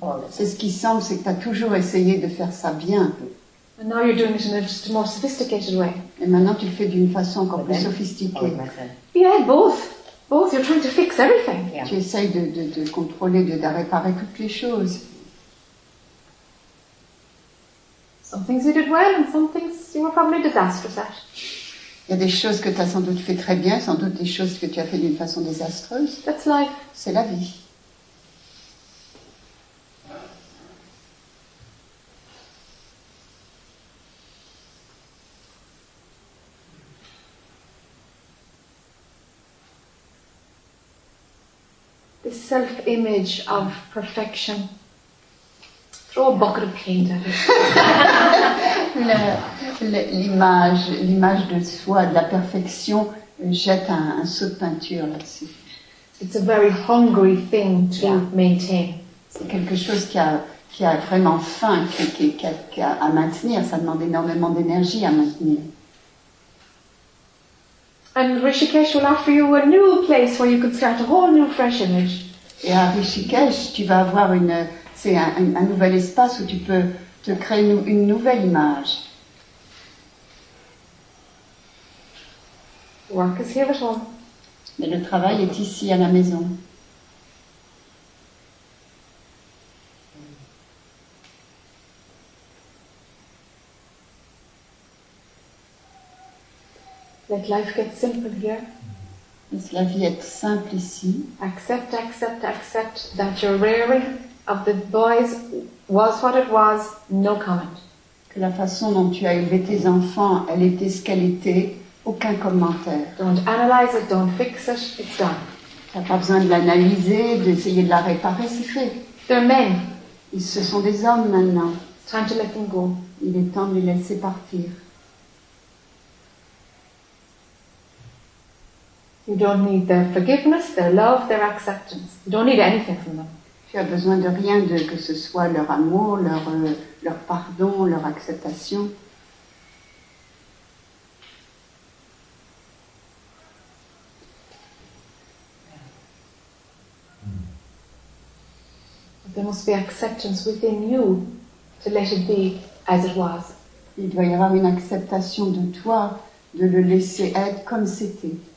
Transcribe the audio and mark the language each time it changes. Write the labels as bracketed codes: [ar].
[fr] C'est ce qui semble, c'est que tu as toujours essayé de faire ça bien. [en] And now you're doing it in a just more sophisticated way. [fr] Et maintenant tu le fais d'une façon encore plus sophistiquée. [en] Yeah, both. You're trying to fix everything. Yeah. [fr] Tu essayes de contrôler, de réparer toutes les choses. [en] Some things you did well, and some things you were probably disastrous at. [fr] Il y a des choses que tu as sans doute fait très bien, sans doute des choses que tu as fait d'une façon désastreuse. [en] That's life. [fr] C'est la vie. [en] The self-image of perfection. Throw a bucket of paint at it. [fr] L'image de soi, de la perfection, jette un seau de peinture là-dessus. [en] It's a very hungry thing to maintain. [fr] C'est quelque chose qui a vraiment faim, qui a à maintenir. Ça demande énormément d'énergie à maintenir. [en] And Rishikesh will offer you a new place where you could start a whole new fresh image. [fr] Et à Rishikesh, tu vas avoir un nouvel espace où tu peux te créer une nouvelle image. [en] Work is here at home. [fr] Mais le travail est ici à la maison. [en] Let life get simple here. [fr] Laisse la vie être simple ici. [en] Accept that your rearing of the boys was what it was, no comment. [fr] Que la façon dont tu as élevé tes enfants, elle était ce qu'elle était, aucun commentaire. [en] Don't analyze it, don't fix it, it's done. [fr] T'as pas besoin de l'analyser, d'essayer de la réparer, c'est fait. [en] They're men. [fr] Ce sont des hommes maintenant. [en] It's time to let them go. [fr] Il est temps de les laisser partir. [en] You don't need their forgiveness, their love, their acceptance. You don't need anything from them. [fr] Tu as besoin de rien, de que ce soit leur amour, leur pardon, leur acceptation. [en] There must be acceptance within you to let it be as it was. [fr] Il doit y avoir une acceptation de toi de le laisser être comme c'était.